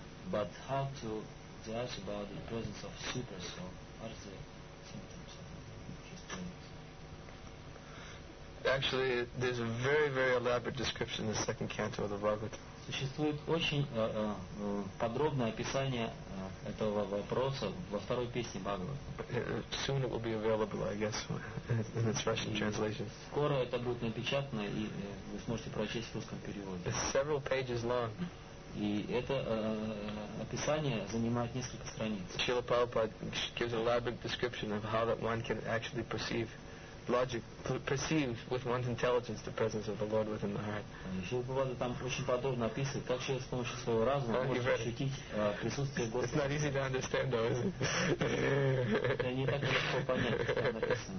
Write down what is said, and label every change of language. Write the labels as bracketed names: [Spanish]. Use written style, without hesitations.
[English] But how to judge about the presence of super soul? What are the symptoms of his presence? Actually, there's a very, very elaborate description in the second canto of the Bhagavatam. [Russian] Существует очень подробное описание этого вопроса во второй песне Бхагавата. [English] Soon it will be available, I guess, in its Russian translation. [Russian] Скоро это будет напечатано, и вы сможете прочесть в русском переводе. [English] It's several pages long. [Russian] И это описание занимает несколько страниц. [English] Srila Prabhupada gives an elaborate description of how that one can actually perceive logic, perceive with one's intelligence the presence of the Lord within the heart. It's not easy to understand though, is it?